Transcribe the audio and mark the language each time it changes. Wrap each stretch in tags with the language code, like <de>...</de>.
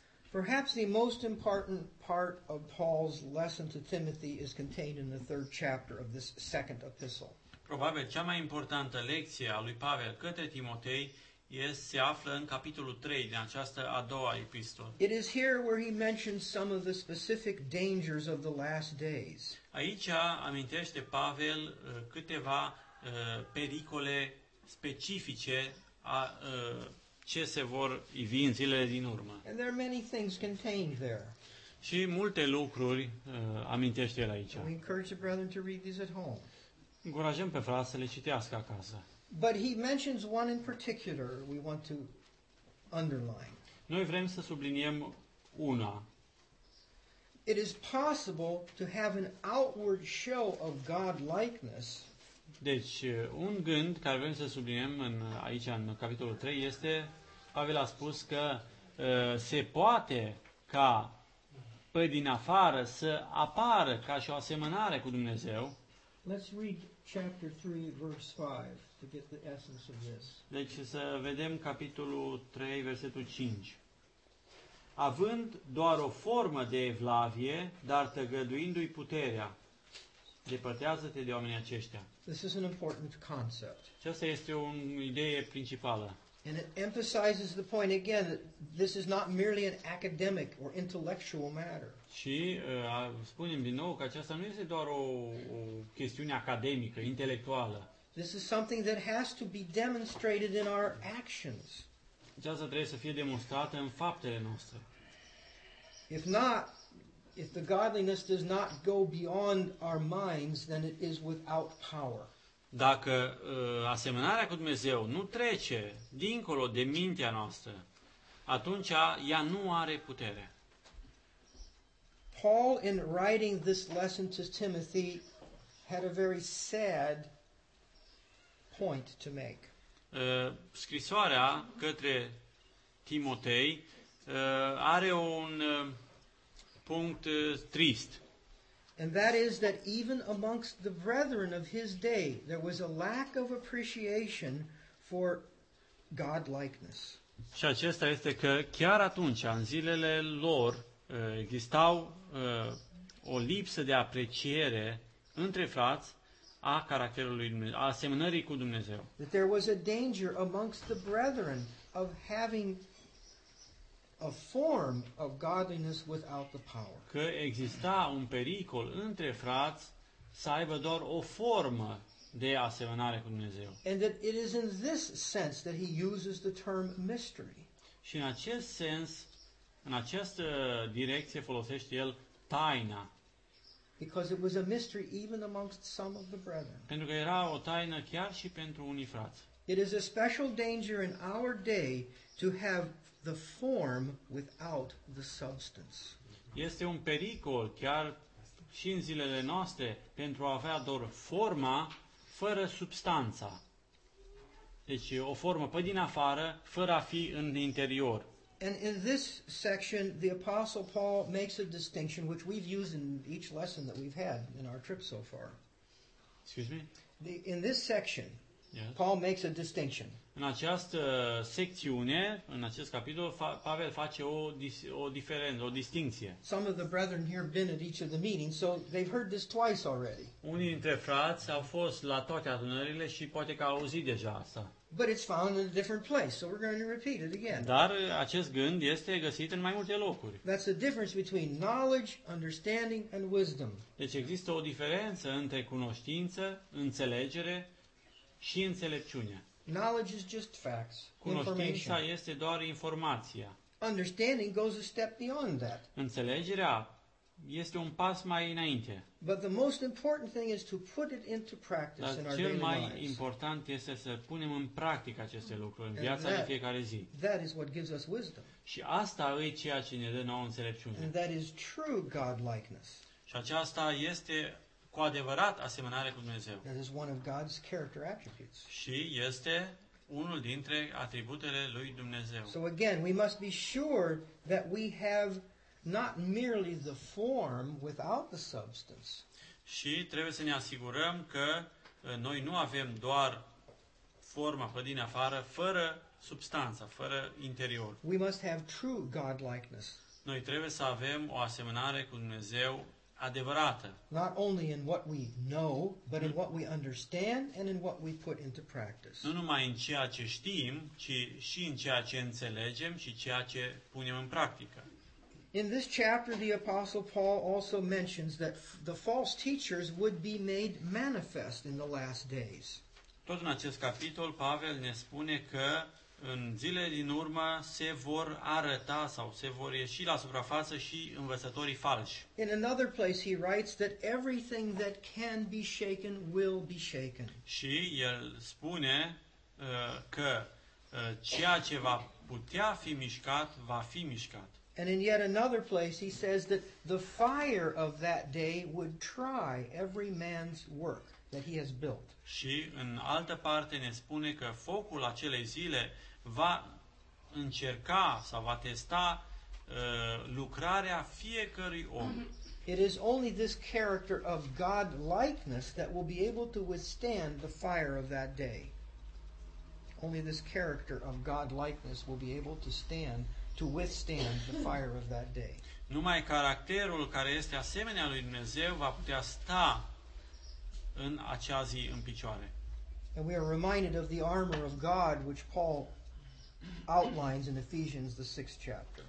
<en>Perhaps the most important part of Paul's lesson to Timothy is contained in the third chapter of this second epistle.</en> <ro>Probabil cea mai importantă lecție a lui Pavel către Timotei se află în capitolul 3 din această a doua epistolă.</ro> <en>It is here where he mentions some of the specific dangers of the last days.</en> <ro>Aici amintește Pavel câteva pericole specifice a ce se vor ivi în zilele din urmă.</ro> <en>And there are many things contained there.</en> <ro>Și multe lucruri amintește el aici.</ro> <en>We encourage the brethren to read these at home.</en> <ro>Încurajăm pe frați să le citească acasă.</ro> <en>But he mentions one in particular we want to underline.</en> <ro>Noi vrem să subliniem una.</ro> <en>It is possible to have an outward show of godlikeness.</en> <ro>Deci, un gând care vrem să subliniem aici în capitolul 3 este, Pavel a spus că se poate ca pe din afară să apară ca și o asemănare cu Dumnezeu.</ro> <en>Let's read chapter 3, verse 5 to get the essence of this.</en> <ro>Deci să vedem capitolul 3, versetul 5. Având doar o formă de evlavie, dar tăgăduindu-i puterea, depărtează-te de oamenii aceștia.</ro> <en>This is an important concept.</en> <ro>Aceasta este o idee principală.</ro> <en>And it emphasizes the point again that this is not merely an academic or intellectual matter.</en> <ro>Și spunem din nou că aceasta nu este doar o chestiune academică, intelectuală.</ro> <en>This is something that has to be demonstrated in our actions.</en> <ro>Aceasta trebuie să fie demonstrată în faptele noastre.</ro> <en>If not, if the godliness does not go beyond our minds, then it is without power.</en> <ro>Dacă asemănarea cu Dumnezeu nu trece dincolo de mintea noastră, atunci ea nu are putere.</ro> <en>Paul, in writing this lesson to Timothy, had a very sad point to make.</en> <ro>Scrisoarea către Timotei are un punct trist.</ro> <en>And that is that even amongst the brethren of his day, there was a lack of appreciation for godlikeness.</en> <ro>Și acesta este că chiar atunci, în zilele lor, existau o lipsă de apreciere între frați a caracterului Dumnezeu, a asemănării cu Dumnezeu.</ro> <en>That there was a danger amongst the brethren of having a form of godliness without the power.</en> <ro>Că exista un pericol între frați să aibă doar o formă de asemănare cu Dumnezeu.</ro> <en>And that it is in this sense that he uses the term mystery.</en> <ro>Și în acest sens, în această direcție folosește el taina.</ro> <en>Because it was a mystery even amongst some of the brethren.</en> <ro>Pentru că era o taină chiar și pentru unii frați.</ro> <en>It is a special danger in our day to have the form without the substance.</en> <ro>Este un pericol chiar și în zilele noastre pentru a avea doar forma fără substanța. Deci o formă pe din afară fără a fi în interior.</ro> <en>And in this section the apostle Paul makes a distinction which we've used in each lesson that we've had in our trip so far. Excuse me. In this section yes. Paul makes a distinction.</en> <ro>În această secțiune, în acest capitol, Pavel face o diferență, o distinție.</ro> <en>Some of the brethren here have been at each of the meetings, so they've heard this twice already.</en> <ro>Unii dintre frați au fost la toate adunările și poate că au auzit deja asta.</ro> <en>But it's found in a different place, so we're going to repeat it again.</en> <ro>Dar acest gând este găsit în mai multe locuri.</ro> <en>That's the difference between knowledge, understanding and wisdom.</en> <ro>Deci există o diferență între cunoștință, înțelegere și înțelepciune.</ro> <en>Knowledge is just facts, information.</en> <ro>Cunoștința este doar informația.</ro> <en>Understanding goes a step beyond that.</en> <ro>Înțelegerea este un pas mai înainte.</ro> <en>But the most important thing is to put it into practice</en> <ro>Dar</ro> <en>in our daily lives.</en> <ro>Cel mai important este să punem în practică aceste lucruri în viața de fiecare zi.</ro> <en>That is what gives us wisdom.</en> <ro>Și asta e ceea ce ne dă nouă înțelepciune.</ro> <en>And that is true godlikeness.</en> <ro>Și aceasta este cu adevărat asemănare cu Dumnezeu.</ro> <en>That is one of God's character attributes.</en> <ro>Și este unul dintre atributele lui Dumnezeu.</ro> <en>So again, we must be sure that we have not merely the form without the substance.</en> <ro>Și trebuie să ne asigurăm că noi nu avem doar forma pe din afară fără substanța, fără interior.</ro> <en>We must have true godlikeness.</en> <ro>Noi trebuie să avem o asemănare cu Dumnezeu adevărată.</ro> <en>Not only in what we know, but in what we understand and in what we put into practice.</en> <ro>Nu numai în ceea ce știm, ci și în ceea ce înțelegem și ceea ce punem în practică.</ro> <en>In this chapter, the Apostle Paul also mentions that the false teachers would be made manifest in the last days.</en> <ro>Tot în acest capitol, Pavel ne spune că în zilele din urmă se vor arăta sau se vor ieși la suprafață și învățătorii falși.</ro> <en>In another place, he writes that everything that can be shaken will be shaken.</en> <ro>Și el spune că ceea ce va putea fi mișcat, va fi mișcat.</ro> <en>And in yet another place, he says that the fire of that day would try every man's work that he has built.</en> <ro>Și în altă parte ne spune că focul acelei zile va încerca sau va testa lucrarea fiecărui om.</ro> <en>It is only this character of God-likeness that will be able to withstand the fire of that day. Only this character of God-likeness will be able to stand to withstand the fire of that day.</en> <ro>Numai caracterul care este asemenea lui Dumnezeu va putea sta în acea zi în picioare.</ro> <en>And we are reminded of the armor of God which Paul outlines in Ephesians the 6th chapter.</en>